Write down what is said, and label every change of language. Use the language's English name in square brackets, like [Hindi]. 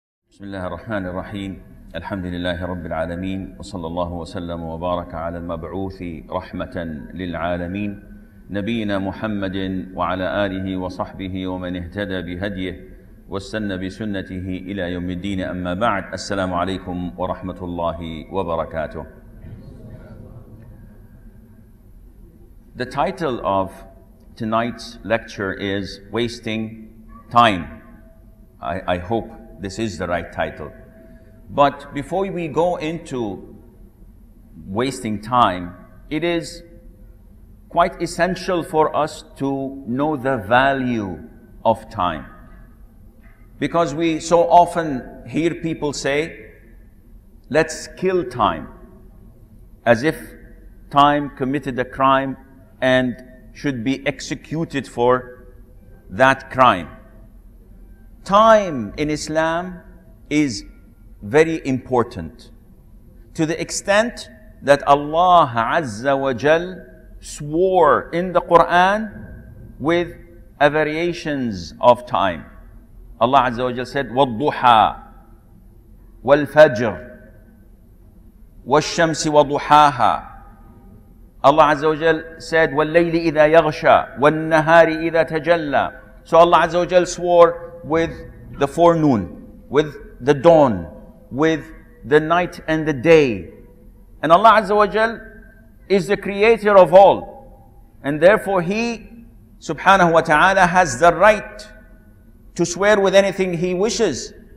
[Arabic] بسم الله الرحمن الرحيم الحمد لله رب العالمين وصلى الله وسلم وبارك على المبعوث رحمة للعالمين نبينا محمد وعلى آله وصحبه ومن اهتدى بهديه واستنى بسنته إلى يوم الدين أما بعد السلام عليكم ورحمة الله وبركاته. [English] The title of tonight's lecture is Wasting Time. I hope this is the right title. But before we go into wasting time, it is quite essential for us to know the value of time. Because we so often hear people say, let's kill time, as if time committed a crime and should be executed for that crime. Time in Islam is very important to the extent that Allah Azza wa Jal swore in the Quran with variations of time. Allah Azza wa Jal said, [Arabic] وَالضُّحَى وَالْفَجْرِ وَالشَّمْسِ وَضُحَاهَا. [English] Allah Azza wa Jal said, [Arabic] وَاللَّيْلِ إِذَا يَغْشَى وَالنَّهَارِ إِذَا تَجَلَّى. [English] So Allah Azza wa Jal swore with the forenoon, with the dawn, with the night and the day. And Allah Azza wa Jal is the creator of all. And therefore He, subhanahu wa ta'ala, has the right to swear with anything He wishes.